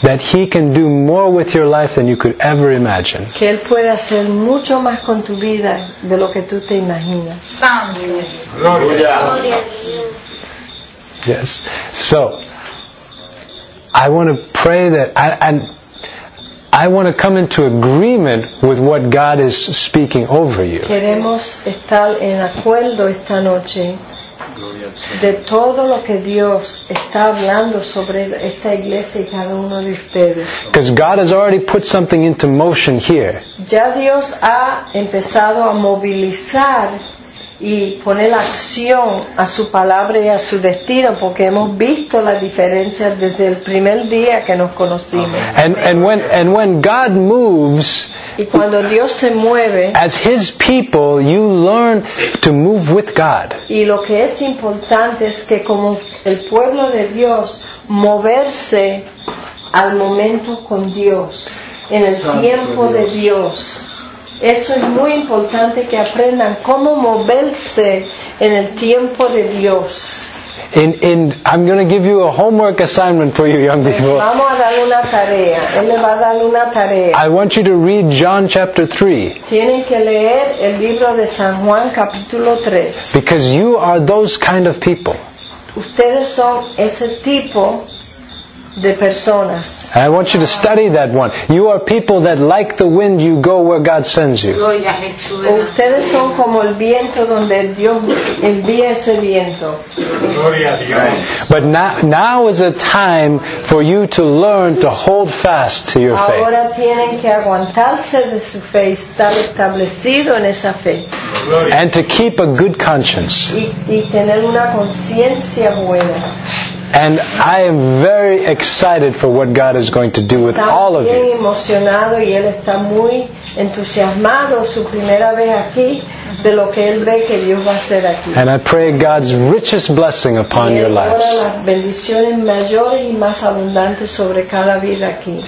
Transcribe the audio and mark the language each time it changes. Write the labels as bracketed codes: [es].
[en] that He can do more with your life than you could ever imagine. [es] Que Él puede hacer mucho más con tu vida de lo que tú te imaginas. Gloria. [en] Yes. So, I want to pray that I want to come into agreement with what God is speaking over you. [es] Queremos estar en acuerdo esta noche de todo lo que Dios está hablando sobre esta iglesia y cada uno de ustedes. [en] Because God has already put something into motion here. [es] Ya Dios ha empezado a movilizar y poner acción a su palabra y a su destino porque hemos visto la diferencia desde el primer día que nos conocimos. [en] And when God moves, [es] y cuando Dios se mueve, [en] as His people, you learn to move with God. [es] Y lo que es importante es que como el pueblo de Dios moverse al momento con Dios, en el Santo tiempo Dios. De Dios. Eso es muy importante que aprendan cómo moverse en el tiempo de Dios. [en] In I'm going to give you a homework assignment for you young people. [es] Vamos a dar una tarea. Él le va a dar una tarea. [en] I want you to read John chapter 3. [es] Tienen que leer el libro de San Juan capítulo 3. [en] Because you are those kind of people. [es] Ustedes son ese tipo de personas. [en] And I want you to study that one. You are people that like the wind, you go where God sends you. [es] Gloria, ustedes son como el viento donde Dios envía ese viento. Gloria a Dios. [en] But now is a time for you to learn to hold fast to your [es] ahora [en] faith. [es] Ahora tienen que aguantarse de su fe, estar establecido en esa fe. Gloria. [en] And to keep a good conscience. [es] Y tener una conciencia buena. [en] And I am very excited for what God is going to do with all of you. [es] Emocionado y él está muy entusiasmado su primera vez aquí de lo que él ve que Dios va a hacer aquí. [en] And I pray God's richest blessing upon your lives. [es] Las bendiciones mayores y más abundantes sobre cada vida aquí.